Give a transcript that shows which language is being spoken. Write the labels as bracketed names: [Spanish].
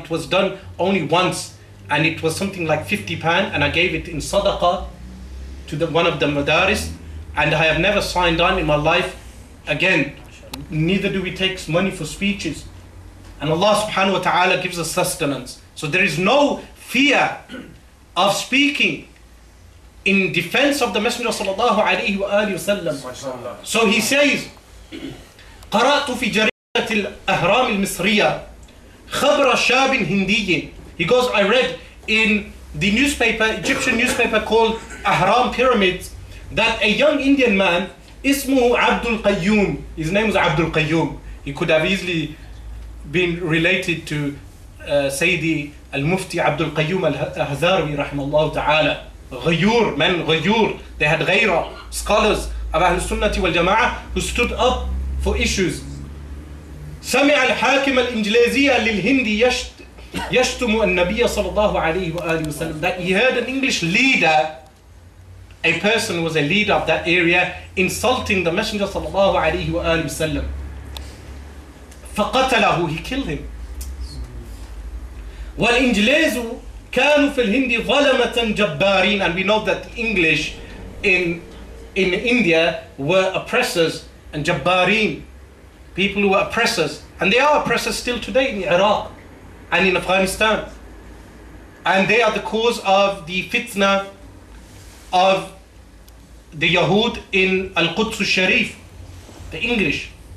[English] It was done only once, and it was something like 50 pound, and I gave it in sadaqah to one of the madaris, and I have never signed on in my life again. Neither do we take money for speeches. And Allah subhanahu wa ta'ala gives us sustenance. So there is no fear of speaking in defense of the Messenger sallallahu alayhi wa alayhi wa sallam. So he says, [Arabic] قَرَأْتُ فِي جَرِيمٍ الأهرام المصرية خبر شاب هندي. [English] He goes, I read in the newspaper, Egyptian newspaper called Ahram Pyramids, that a young Indian man, [Arabic] اسمه عبد القيوم. [English] His name was Abdul Qayyum. He could have easily been related to Sayyidi al-Mufti Abdul Qayyum الهزاري [Arabic] رحمه الله تعالى. غيور, من غيور. [English] They had غيرة, scholars of أهل السنة والجماعة who stood up for issues. [Arabic] سمع الحاكم الإنجليزي للهندي يشتم النبي صلى الله عليه وآله وسلم. [English] That he heard an English leader, a person who was a leader of that area, insulting the Messenger [Arabic] صلى الله عليه وآله وسلم. فقتله, [English] he killed him. [Arabic] والإنجليز كانوا في الهند ظلمة جبارين. [English] And we know that the English in India were oppressors and جبارين. People who were oppressors. And they are oppressors still today in Iraq and in Afghanistan. And they are the cause of the fitna of the Yahud in Al-Quds al-Sharif, the English.